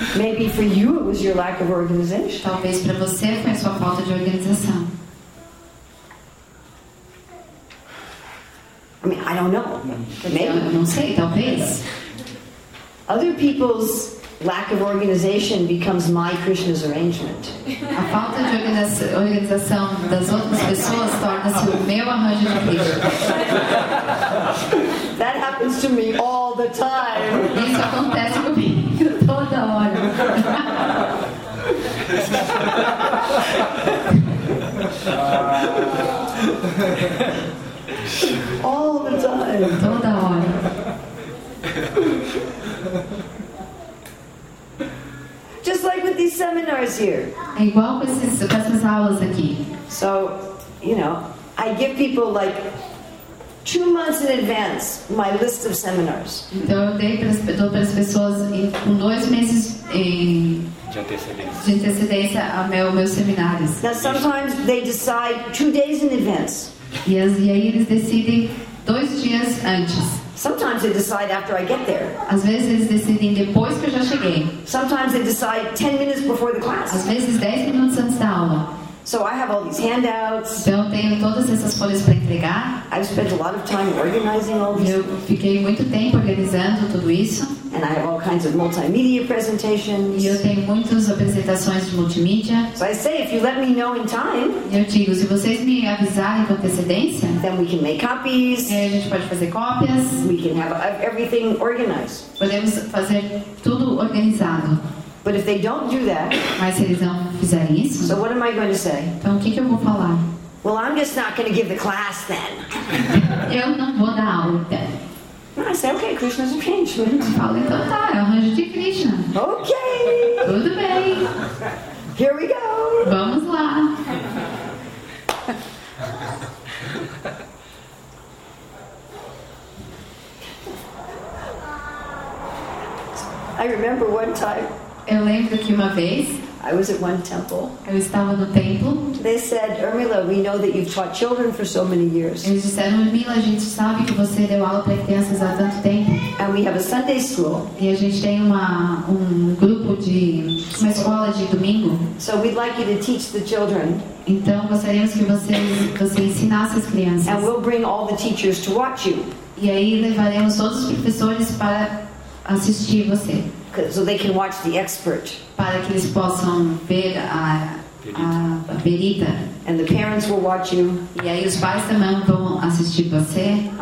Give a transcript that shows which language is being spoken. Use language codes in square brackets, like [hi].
[en] Maybe for you it was your lack of organization. [pt] Talvez para você foi sua falta de organização. [en] I mean, I don't know. Maybe. [pt] Eu não sei, talvez. [en] Other people's lack of organization becomes my Krishna's arrangement. [pt] A falta de organização das outras pessoas torna-se o meu arranjo de Krishna. [en] That happens to me all the time. [pt] Isso acontece comigo toda hora. [en] All the time. [pt] Toda hora. [en] Just like with these seminars here. [pt] É igual com essas aulas aqui. [en] So, you know, I give people like 2 months in advance my list of seminars. [pt] Então eu dei para as pessoas com 2 meses de antecedência a meus seminários. [en] Now sometimes they decide 2 days in advance. [pt] Yes, e aí eles decidem 2 dias antes. [en] Sometimes they decide after I get there. [pt] Às vezes decidem depois que eu já cheguei. [en] Sometimes they decide 10 minutes before the class. [pt] Às vezes 10 minutos antes da aula. [en] So I have all these handouts. [pt] Então tenho todas essas folhas para entregar. [en] I spent a lot of time organizing all these. [pt] Eu fiquei muito tempo organizando tudo isso. [en] And I have all kinds of multimedia presentations. [pt] E eu tenho muitas apresentações de multimídia. [en] So I say, if you let me know in time. [pt] Eu digo, se vocês me avisarem com antecedência. [en] Then we can make copies. [pt] E a gente pode fazer cópias. [en] We can have everything organized. [pt] Podemos fazer tudo organizado. [en] But if they don't do that, [pt] mas se eles não fizerem isso, [en] so what am I going to say? [pt] Então que eu vou falar? [en] Well, I'm just not going to give the class then. [pt] Eu não vou dar aula then. [en] I say, okay, Krishna's arrangement. [pt] Eu falo, então tá, é o arranjo de Krishna. [en] Okay. [pt] Tudo bem. [en] Here we go. [pt] Vamos lá. [en] I remember one time. [pt] Eu lembro que uma vez [en] I was at one temple. [pt] Eu estava no templo. [en] They said, Ermila, we know that you've taught children for so many years. [pt] Eles disseram, Ermila, a gente sabe que você deu aula para crianças há tanto tempo. [en] And we have a Sunday school. [pt] E a gente tem um grupo de uma escola de domingo. [en] So we'd like you to teach the children. [pt] Então gostaríamos que você ensinasse as crianças. [en] And we'll bring all the teachers to watch you. [pt] E aí levaremos todos os professores para assistir você. [en] So they can watch the expert. [pt] Para que eles possam ver a perita. [en] And the parents will watch you. [pt] E aí os pais também vão assistir você.